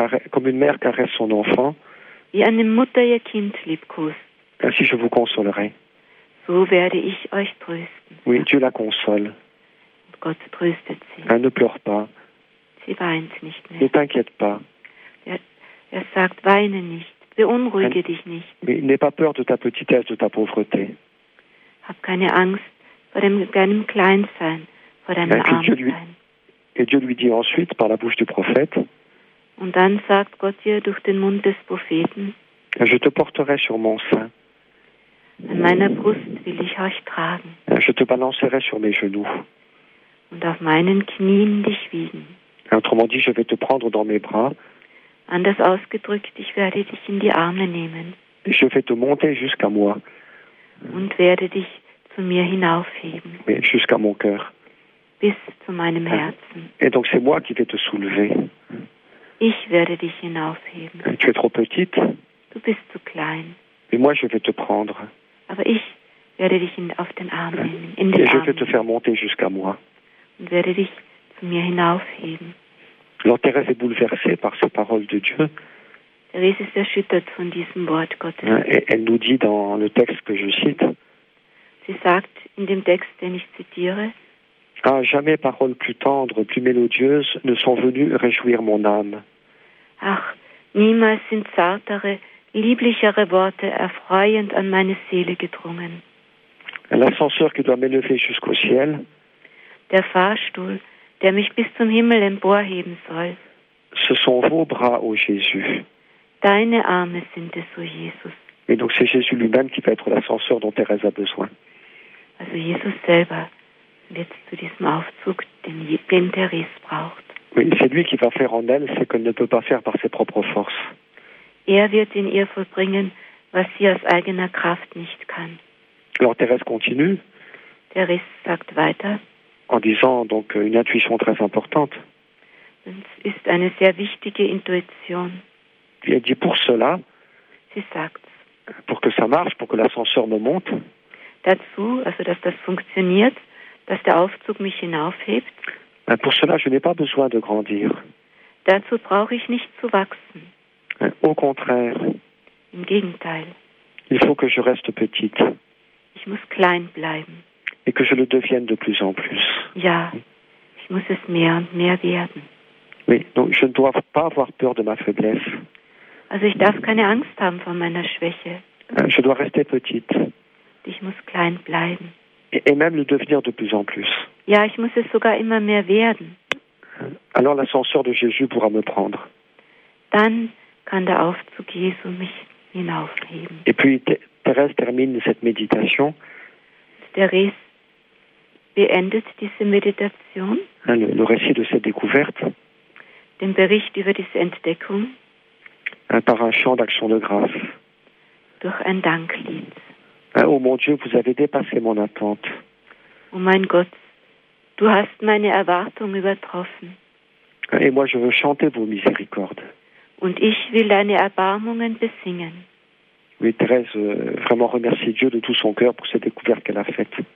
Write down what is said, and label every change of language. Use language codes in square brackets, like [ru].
[fr] Comme une mère caresse son enfant. [de] Wie eine Mutter ihr Kind liebkost. [fr] Ainsi je vous consolerai. [de] So werde ich euch trösten. [fr] Oui, Dieu la console. [de] Gott tröstet sie. [fr] Elle ne pleure pas. [de] Sie weint nicht mehr. [fr] Ne t'inquiète pas. [de] Er sagt, weine nicht, beunruhige dich nicht. [fr] Mais n'aie pas peur de ta petitesse, de ta pauvreté. [de] Hab keine Angst vor deinem Kleinsein, vor deinem Armsein. [fr] Et Dieu lui dit ensuite, par la bouche du prophète, [de] und dann sagt Gott dir durch den Mund des Propheten, [fr] je te porterai sur mon sein. [de] An meiner Brust will ich euch tragen. [fr] Je te balancerai sur mes genoux. [de] Und auf meinen Knien dich wiegen. [fr] Autrement dit, je vais te prendre dans mes bras. [de] Anders ausgedrückt, ich werde dich in die Arme nehmen. [fr] Je vais te monter jusqu'à moi. [de] Und werde dich zu mir hinaufheben. [fr] Mais jusqu'à mon cœur. [de] Bis zu meinem Herzen. [fr] Et donc c'est moi qui vais te soulever. [de] Ich werde dich hinaufheben. [fr] Tu es trop petite. [de] Du bist zu klein. [fr] Mais moi je vais te prendre. [de] Aber ich werde dich auf den Arm nehmen. In den Arm. [fr] Et je vais te faire monter jusqu'à moi. [de] Und werde dich zu mir hinaufheben. [fr] Alors Thérèse est bouleversée par ces paroles de Dieu. [de] Thérèse ist erschüttert von diesem Wort Gottes. [fr] Et elle nous dit dans le texte que je cite. [de] Sie sagt in dem Text, den ich zitiere. [fr] Ah, jamais paroles plus tendres, plus mélodieuses ne sont venues réjouir mon âme. [de] Ach, niemals sind zartere, lieblichere Worte erfreuend an meine Seele gedrungen. [fr] L'ascenseur qui doit m'élever jusqu'au ciel. [de] Der Fahrstuhl, der mich bis zum Himmel emporheben soll. [fr] Ce sont vos bras, ô Jésus. [de] Deine Arme sind es, ô Jésus. [fr] Et donc c'est Jésus lui-même qui va être l'ascenseur dont Thérèse a besoin. [de] Also Jésus selber wird zu diesem Aufzug, den Thérèse braucht. [fr] Oui, c'est lui qui va faire en elle ce qu'elle ne peut pas faire par ses propres forces. [de] Er wird in ihr vollbringen, was sie aus eigener Kraft nicht kann. [fr] Alors Thérèse continue. [de] Thérèse sagt weiter. [fr] En disant donc une intuition très importante. [de] Es ist eine sehr wichtige Intuition. [fr] Elle dit pour cela. [de] Sie sagt. [fr] Pour que ça marche, pour que l'ascenseur me monte. [de] Dazu, also dass das funktioniert, dass der Aufzug mich hinaufhebt. [fr] Pour cela, je n'ai pas besoin de grandir. [de] Dazu brauche ich nicht zu wachsen. [fr] Au contraire. [de] Im Gegenteil. [fr] Il faut que je reste petite. [de] Ich muss klein bleiben. [fr] Et que je le devienne de plus en plus. [de] Ja, ich muss es mehr und mehr werden. [fr] Oui, donc je ne dois pas avoir peur de ma faiblesse. [de] Also ich darf keine Angst haben vor meiner Schwäche. [fr] Je dois rester petite. [de] Ich muss klein bleiben. [fr] Et même le devenir de plus en plus. [de] Ja, ich muss es sogar immer mehr werden. [fr] Alors l'ascenseur de Jésus pourra me prendre. [de] Dann kann der Aufzug Jesu mich hinaufheben. [fr] Et puis Thérèse termine cette méditation. [de] Thérèse beendet diese Meditation. [fr] Le récit de cette découverte. [de] Den Bericht über diese Entdeckung. [fr] Par un chant d'action de grâce. [de] Durch ein Danklied. [fr] Oh mon Dieu, vous avez dépassé mon attente. [de] Oh mein Gott, du hast meine Erwartung übertroffen. [fr] Et moi je veux chanter vos miséricordes. [de] Und ich will deine Erbarmungen besingen. [fr] Oui, Thérèse, vraiment remercie Dieu de tout son cœur pour cette découverte qu'elle a faite.